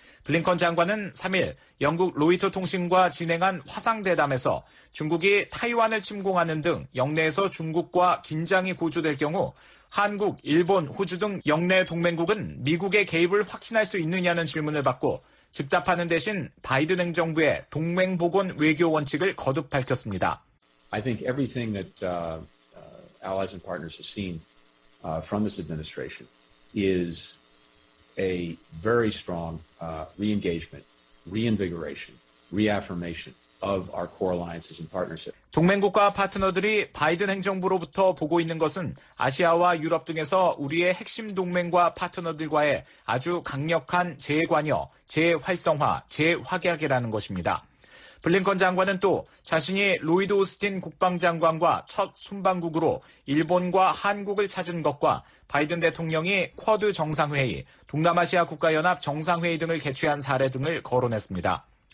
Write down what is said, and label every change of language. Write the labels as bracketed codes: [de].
[ko] 블링컨 장관은 3일 영국 로이터 통신과 진행한 화상대담에서 중국이 타이완을 침공하는 등 영내에서 중국과 긴장이 고조될 경우 한국, 일본, 호주 등 영내 동맹국은 미국의 개입을 확신할 수 있느냐는 질문을 받고 즉답하는 대신 바이든 행정부의 동맹 복원 외교 원칙을 거듭 밝혔습니다. [en] I think everything that allies and partners have seen from this administration is a very strong re-engagement, reinvigoration, reaffirmation of our core alliances and partnerships. [ko] 동맹국과 파트너들이 바이든 행정부로부터 보고 있는 것은 아시아와 유럽 등에서 우리의 핵심 동맹과 파트너들과의 아주 강력한 재관여, 재활성화, 재확약이라는 것입니다. 블링컨 장관은 또 자신이 로이드 오스틴 국방장관과 첫 순방국으로 일본과 한국을 찾은 것과 바이든 대통령이 쿼드 정상회의, 동남아시아 국가연합 정상회의 등을 개최한 사례 등을 거론했습니다.